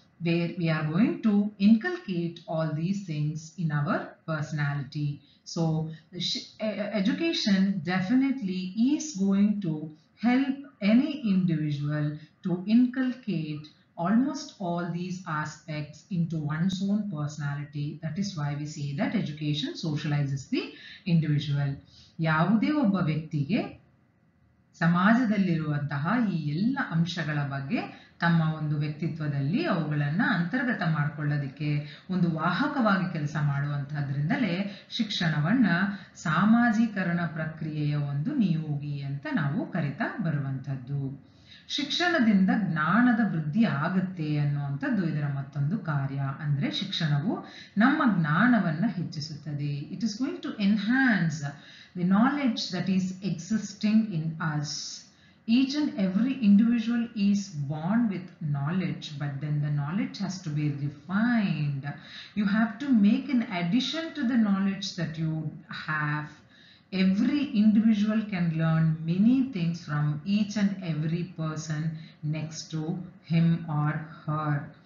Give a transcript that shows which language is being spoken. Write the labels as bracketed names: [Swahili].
[English] Where we are going to inculcate all these things in our personality. So education definitely is going to help any individual to inculcate almost all these aspects into one's own personality. That is why we say that education socializes the individual. [Kannada] ಯಾವುದೇ ಒಬ್ಬ ವ್ಯಕ್ತಿಗೆ ಸಮಾಜದಲ್ಲಿರುವಂತಹ ಈ ಎಲ್ಲ ಅಂಶಗಳ ಬಗ್ಗೆ ತಮ್ಮ ಒಂದು ವ್ಯಕ್ತಿತ್ವದಲ್ಲಿ ಅವುಗಳನ್ನು ಅಂತರ್ಗತ ಮಾಡಿಕೊಳ್ಳೋದಕ್ಕೆ ಒಂದು ವಾಹಕವಾಗಿ ಕೆಲಸ ಮಾಡುವಂತಹದ್ರಿಂದಲೇ ಶಿಕ್ಷಣವನ್ನು ಸಾಮಾಜೀಕರಣ ಪ್ರಕ್ರಿಯೆಯ ಒಂದು ನಿಯೋಗಿ ಅಂತ ನಾವು ಕರಿತಾ ಬರುವಂಥದ್ದು. ಶಿಕ್ಷಣದಿಂದ ಜ್ಞಾನದ ವೃದ್ಧಿ ಆಗುತ್ತೆ ಅನ್ನುವಂಥದ್ದು ಇದರ ಮತ್ತೊಂದು ಕಾರ್ಯ. ಅಂದರೆ ಶಿಕ್ಷಣವು ನಮ್ಮ ಜ್ಞಾನವನ್ನು ಹೆಚ್ಚಿಸುತ್ತದೆ. [English] It is going to enhance the knowledge that is existing in us. Each and every individual is bond with knowledge, but then the knowledge has to be refined. You have to make in addition to the knowledge that you have. Every individual can learn many things from each and every person next to him or her.